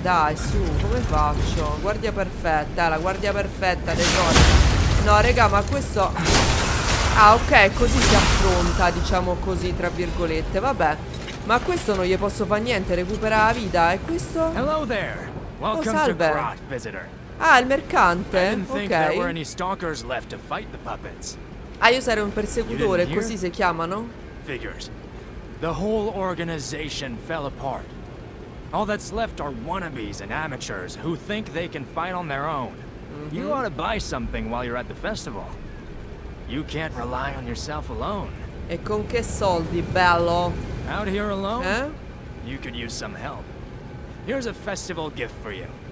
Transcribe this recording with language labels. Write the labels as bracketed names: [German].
[Italian] Dai, su, come faccio? Guardia perfetta, la guardia perfetta, tesoro. No, regà, ma questo... Ah, ok, così si affronta, diciamo così, tra virgolette. Vabbè. Ma questo non gli posso fare niente, recupera la vita. E questo... [English] Hello there. Welcome to Grot, visitor. [Italian] Ah, il mercante? Ok. [English] I didn't think there were any left to fight the puppets. [Italian] Ah, io sarei un persecutore, così si chiamano? [English] Figures. The whole organization fell apart. All that's left are wannabes and amateurs who think they can fight on their own. Mm-hmm. You ought to buy something while you're at the festival. You can't rely on yourself alone. [Italian] E con che soldi, bello? [English] Out here alone? Eh? You could use some help. Here's a festival gift for you.